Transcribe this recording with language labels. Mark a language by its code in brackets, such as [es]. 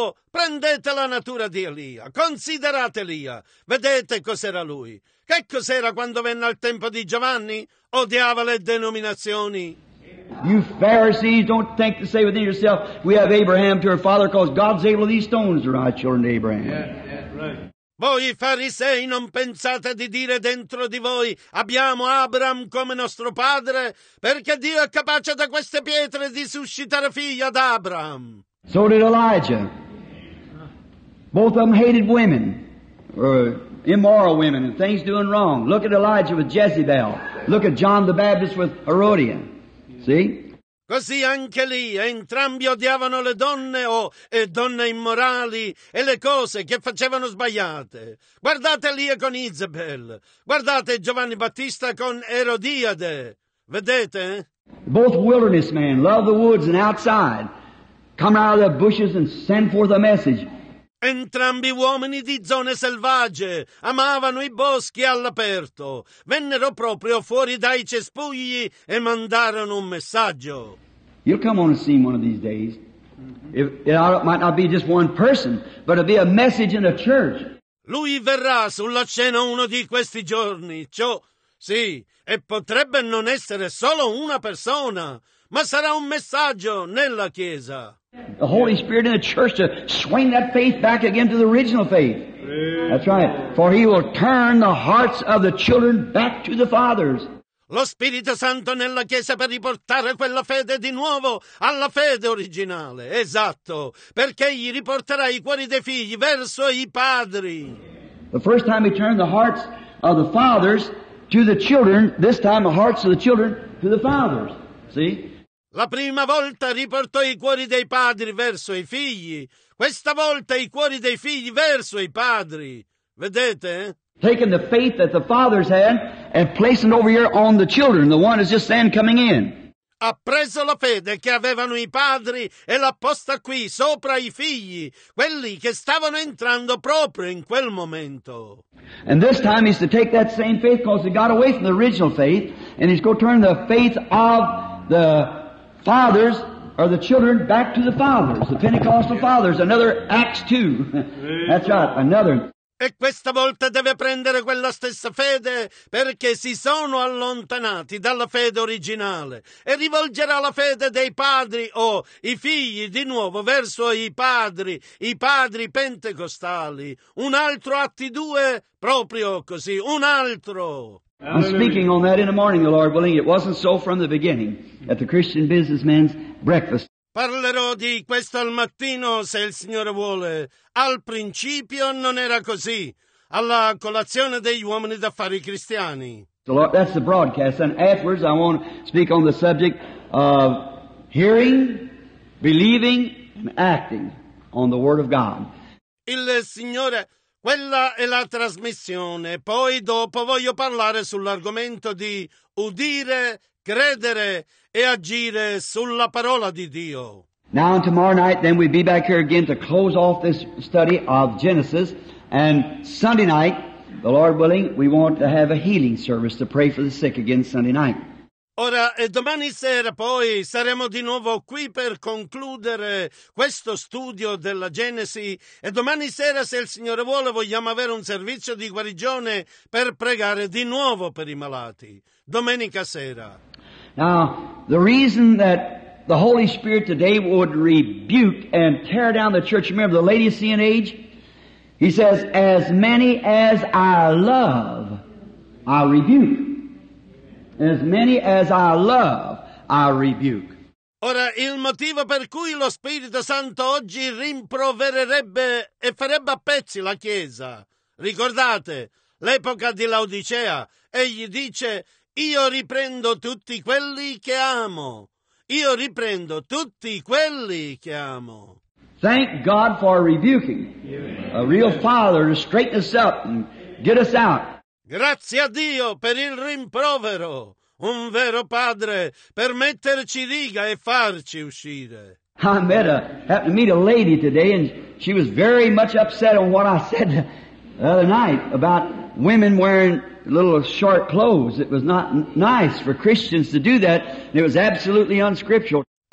[it] Prendete la natura di Elia. Considerate Elia. Vedete cos'era lui. Che cos'era quando venne al tempo di Giovanni? Odiava le denominazioni. [en] You Pharisees, don't think to say within yourself, we have Abraham to our father, because God's able these stones to rise children to Abraham. [it] Voi farisei, non pensate di dire dentro di voi, abbiamo Abraham come nostro padre, perché Dio è capace da queste pietre di suscitare figli ad Abraham. [en] So did Elijah. Both of them hated women, immoral women, and things doing wrong. Look at Elijah with Jezebel. Look at John the Baptist with Herodian. See? [it] Così anche lì entrambi odiavano le donne o donne immorali e le cose che facevano sbagliate. Guardate lì con Isabel. Guardate Giovanni Battista con Erodiade. Vedete? [en] Both wilderness men love the woods and outside. Come out of the bushes and send forth a message. [it] Entrambi uomini di zone selvagge amavano i boschi all'aperto. Vennero proprio fuori dai cespugli e mandarono un messaggio. [en] You'll come on the scene one of these days. It might not be just one person, but it'll be a message in a church. [it] Lui verrà sulla scena uno di questi giorni. Ciò, sì, e potrebbe non essere solo una persona, ma sarà un messaggio nella chiesa. [en] The Holy Spirit in the church to swing that faith back again to the original faith. That's right. For he will turn the hearts of the children back to the fathers. [it] Lo Spirito Santo nella Chiesa per riportare quella fede di nuovo alla fede originale. Esatto. Perché egli riporterà i cuori dei figli verso i padri. [en] The first time he turned the hearts of the fathers to the children, this time the hearts of the children to the fathers. See? [it] La prima volta riportò i cuori dei padri verso i figli. Questa volta i cuori dei figli verso i padri. Vedete? [en] Taking the faith that the fathers had and placing it over here on the children, the one is just then coming in. [it] Ha preso la fede che avevano i padri e l'ha posta qui sopra i figli, quelli che stavano entrando proprio in quel momento. [en] And this time he's to take that same faith because he got away from the original faith and he's going to turn the faith of the fathers or the children back to the fathers, the Pentecostal fathers, another Acts 2. That's right, another. [it] E questa volta deve prendere quella stessa fede perché si sono allontanati dalla fede originale e rivolgerà la fede dei padri o i figli di nuovo verso i padri pentecostali. Un altro Atti 2, proprio così, un altro. [en] I'm speaking on that in the morning, the Lord willing. It wasn't so from the beginning at the Christian businessman's breakfast. [it] Parlerò di questo al mattino, se il Signore vuole. Al principio non era così, alla colazione degli uomini d'affari cristiani. [en] So Lord, that's the broadcast. And afterwards I want to speak on the subject of hearing, believing, and acting on the Word of God. [it] Il Signore, quella è la trasmissione. Poi dopo voglio parlare sull'argomento di udire, credere e agire sulla parola di Dio. [en] Now and tomorrow night, then we'll be back here again to close off this study of Genesis. And Sunday night, the Lord willing, we want to have a healing service to pray for the sick again Sunday night. [it] Ora e domani sera poi saremo di nuovo qui per concludere questo studio della Genesi. E domani sera, se il Signore vuole, vogliamo avere un servizio di guarigione per pregare di nuovo per i malati. Domenica sera. [en] Now, the reason that the Holy Spirit today would rebuke and tear down the church, remember the Laodicean age? He says, as many as I love, I rebuke. As many as I love, I rebuke. [it] Ora, il motivo per cui lo Spirito Santo oggi rimprovererebbe e farebbe a pezzi la Chiesa. Ricordate, l'epoca di Laodicea, egli dice, io riprendo tutti quelli che amo. Io riprendo tutti quelli che amo. [en] Thank God for rebuking. A real father to straighten us up and get us out. [it] Grazie a Dio per il rimprovero. Un vero padre per metterci riga e farci uscire. [en] I happened to meet a lady today and she was very much upset on what I said the other night about women wearing little short clothes. It was not nice for Christians to do that. It was absolutely unscriptural.